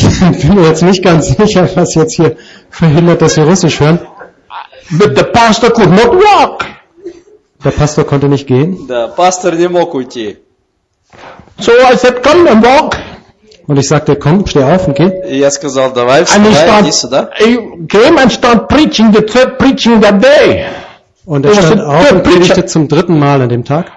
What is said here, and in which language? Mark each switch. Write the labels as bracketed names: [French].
[German] Ich bin mir jetzt nicht ganz sicher, was jetzt hier verhindert, dass wir Russisch hören. [English] But the pastor could not walk. [German] Der Pastor konnte nicht gehen. Der Pastor [Russian] не мог уйти. [English] So I said, come and walk. [German] Und ich sagte, komm, steh auf und geh. [Russian] Я сказал, давай, встань, иди сюда. [English] I came and started preaching the third preaching that day. [German] Und er stand auf und predigte zum dritten Mal an dem Tag.